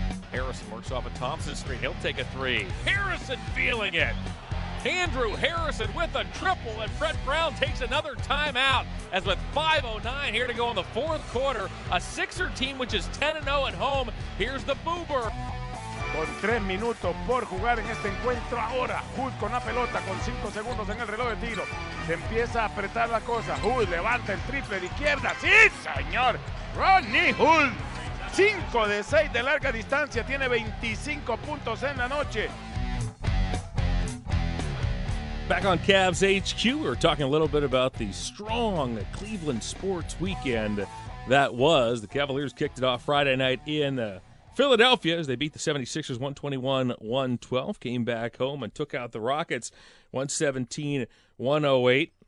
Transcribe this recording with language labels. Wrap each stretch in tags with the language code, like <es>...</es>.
<en>Harrison works off a Thompson screen. He'll take a 3. Harrison feeling it. Andrew Harrison with a triple, and Brett Brown takes another timeout. As with 5:09 here to go in the fourth quarter, a Sixer team which is 10-0 at home. Here's the Boober.</en> <es>Con 3 minutos por jugar en este encuentro ahora. Hood con la pelota con 5 segundos en el reloj de tiro. Se empieza a apretar la cosa. Hood levanta el triple de izquierda. Sí, señor. Rodney Hood. 5 de 6 de larga distancia, tiene 25 puntos en la noche.</es> <en>Back on Cavs HQ, we're talking a little bit about the strong Cleveland sports weekend that was. The Cavaliers kicked it off Friday night in Philadelphia as they beat the 76ers 121-112, came back home and took out the Rockets 117-108.</en>